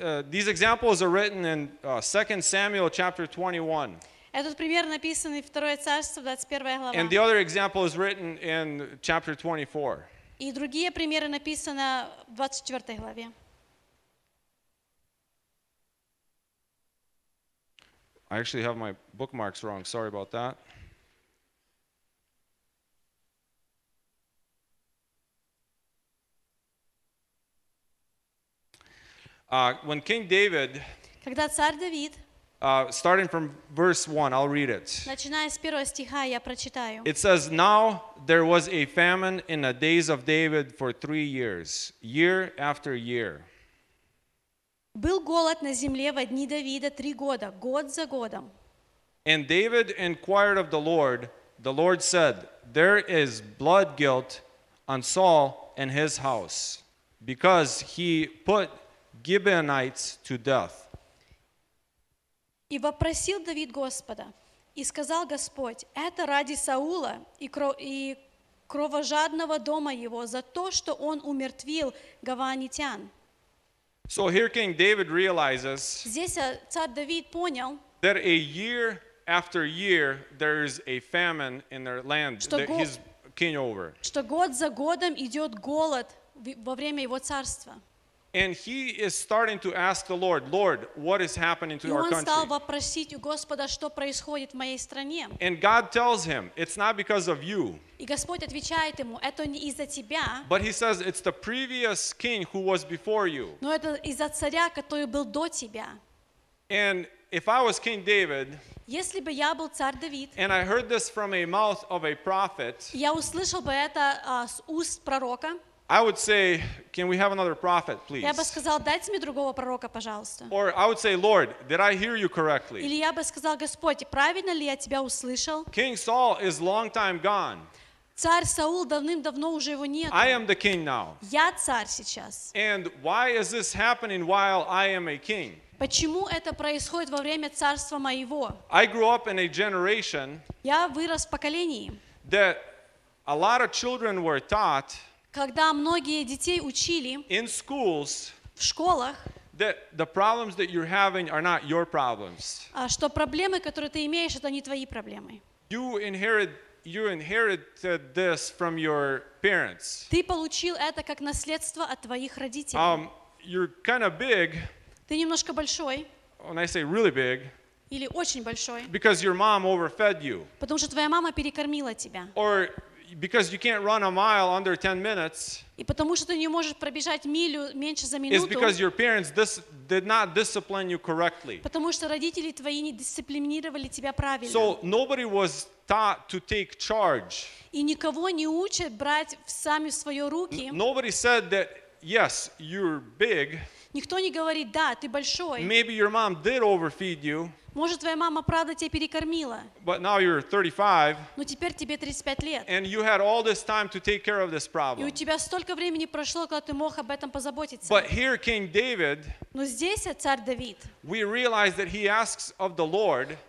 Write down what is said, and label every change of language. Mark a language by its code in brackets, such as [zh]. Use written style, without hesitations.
[en] These examples are written in 2 Samuel chapter 21. [ru] Этот пример написан в 2 Царство, 21 глава. [en] And the other example is written in chapter 24. [ru] И другие примеры написаны в 24 главе. [en] I actually have my bookmarks wrong. Sorry about that. When King David, [ru] когда царь Давид, [en] Starting from verse 1, I'll read it. [ru] Начиная с первого стиха, я прочитаю. [en] It says, Now there was a famine in the days of David for 3 years, year after year. [ru] Был голод на земле во дни Давида 3 года, год за годом. [en] And David inquired of the Lord. The Lord said, There is blood guilt on Saul and his house, because he put Gibeonites to death. [ru] И вопросил Давид Господа, и сказал Господь, это ради Саула и кровожадного дома его, за то, что он умертвил гаванитян. [en] So here King David realizes, [ru] здесь царь Давид понял, [en] that a year after year there is a famine in their land that he's king over. [ru] Что год за годом идет голод во время его царства. [en] And he is starting to ask the Lord, Lord, what is happening to our country? [ru] И он стал вопросить у Господа, что происходит в моей стране. [en] And God tells him, it's not because of you. [ru] И Господь отвечает ему, это не из-за тебя. [en] But he says, it's the previous king who was before you. [ru] Но это из-за царя, который был до тебя. [en] And if I was King David, [ru] если бы я был царь Давид, [en] and I heard this from a mouth of a prophet, [ru] я услышал бы это с уст пророка, [en] I would say, can we have another prophet, please? [ru] Я бы сказал, дайте мне другого пророка, пожалуйста. [en] Or I would say, Lord, did I hear you correctly? [ru] Или я бы сказал, Господь, правильно ли я тебя услышал? [en] King Saul is long time gone. [ru] Царь Саул давным-давно уже его нет. [en] I am the king now. [ru] Я царь сейчас. [en] And why is this happening while I am a king? [ru] Почему это происходит во время царства моего? [en] I grew up in a generation. [ru] Я вырос в поколении. [en] That A lot of children were taught, [ru] когда многие детей учили, [en] in schools, [ru] в школах, [en] that the problems that you're having are not your problems. [ru] Что проблемы, которые ты имеешь, это не твои проблемы. [en] You inherited this from your parents. [ru] Ты получил это как наследство от твоих родителей. [en] You're kind of big. [ru] Ты немножко большой. [en] When I say really big. [ru] Или очень большой. [en] Because your mom overfed you. [ru] Потому что твоя мама перекормила тебя. [en] Or because you can't run a mile under 10 minutes. [ru] И потому что ты не можешь пробежать милю меньше за минуту. [en] Is because your parents did not discipline you correctly. [ru] Потому что родители твои не дисциплинировали тебя правильно. [en] So nobody was taught to take charge. [ru] И никого не учат брать сами в свои руки. [en] Nobody said that yes, you're big. [ru] Никто не говорит: "Да, ты большой". [en] Maybe your mom did overfeed you. [ru] Может, твоя мама правда тебя перекормила. [en] But now you're 35. [ru] Но теперь тебе 35 лет. [en] And you had all this time to take care of this problem. [ru] И у тебя столько времени прошло, когда ты мог об этом позаботиться. [en] But here King David. [ru] Но здесь царь Давид. [en] We realize that he asks of the Lord.